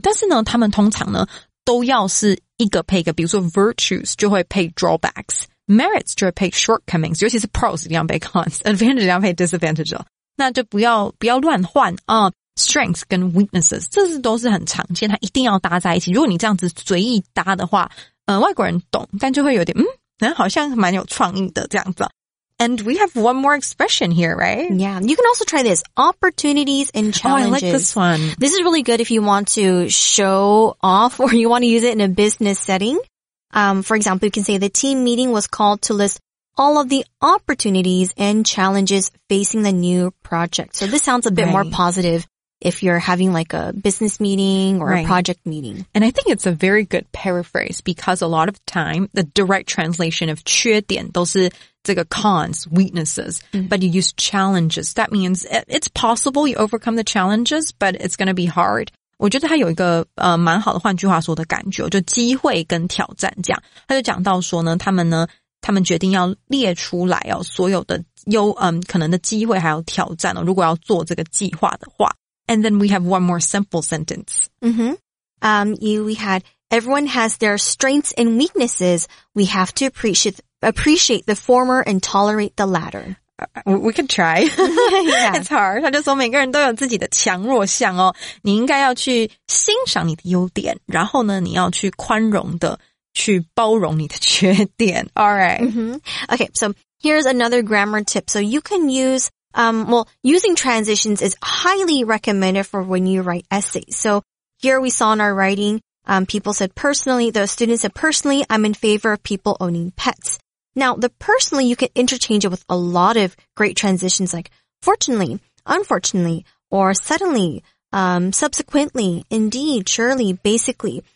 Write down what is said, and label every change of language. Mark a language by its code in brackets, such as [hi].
[zh] 但是呢，他们通常呢，都要是一个配一个，比如说 virtues 就会配 drawbacks， merits 就会配 shortcomings， 尤其是 pros 一定要配 cons， advantage 一定要配 disadvantage， 那就不要乱换啊。 Strengths 跟 weaknesses 这是都是很常见，它一定要搭在一起。如果你这样子随意搭的话，外国人懂，但就会有点好像蛮有创意的这样子。 [en] And we have one more expression here, right? Yeah. You can also try this. Opportunities and challenges. Oh, I like this one. This is really good if you want to show off or you want to use it in a business setting. For example, you can say the team meeting was called to list all of the opportunities and challenges facing the new project. So this sounds a bit more positive if you're having like a business meeting or a project meeting. And I think it's a very good paraphrase because a lot of time, the direct translation of [zh] 缺点都是这个 [en] cons, weaknesses, but you use challenges. That means it's possible you overcome the challenges, but it's going to be hard. [zh] 我觉得他有一个蛮好的换句话说的感觉，就机会跟挑战这样。他就讲到说呢，他们决定要列出来哦，所有的可能的机会还有挑战哦，如果要做这个计划的话。 [en] And then we have one more simple sentence. We had everyone has their strengths and weaknesses. We have to appreciate the former and tolerate the latter. We could try. Yeah. It's hard. [zh] 他就说每个人都有自己的强弱项哦，你应该要去欣赏你的优点，然后呢，你要去宽容的去包容你的缺点。 [en] All right. Mm-hmm. Okay, so here's another grammar tip. So you can use, using transitions is highly recommended for when you write essays. So here we saw in our writing,people said personally, the student said personally, I'm in favor of people owning pets. Now, the personally, you can interchange it with a lot of great transitions like fortunately, unfortunately, or suddenly, subsequently, indeed, surely, basically.